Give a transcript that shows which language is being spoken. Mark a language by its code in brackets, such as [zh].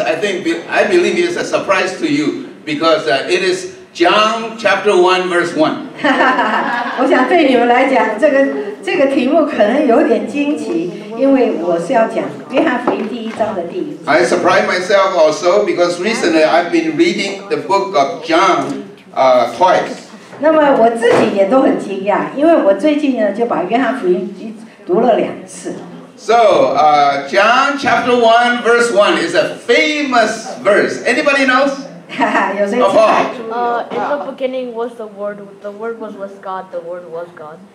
[en] I believe it's a surprise to you because it is John chapter 1 verse 1. [zh] 我想对你们来讲，这个题目可能有点惊奇，因为我是要讲约翰福音第一章的第一节。 [en] I surprise myself also because recently I've been reading the book of John twice. [zh] 那么我自己也都很惊讶，因为我最近呢就把约翰福音读了两次。 [en] So, John chapter 1 verse 1 is a famous verse. Anybody knows? Of all? In the beginning was the Word. The Word was with God. The Word was God.